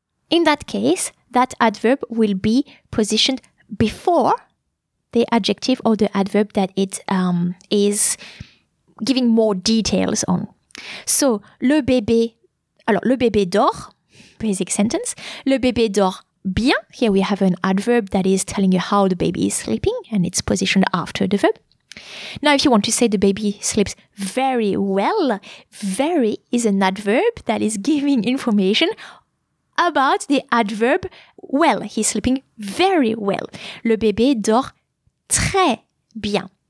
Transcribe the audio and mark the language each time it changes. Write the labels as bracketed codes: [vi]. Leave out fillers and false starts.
[en] In that case, that adverb will be positioned before the adjective or the adverb that it is giving more details on. [fr] So, le bébé dort, basic sentence, le bébé dort bien. [en] Here we have an adverb that is telling you how the baby is sleeping and it's positioned after the verb. Now, if you want to say the baby sleeps very well, very is an adverb that is giving information about the adverb well. He's sleeping very well. [fr] Le bébé dort très bien.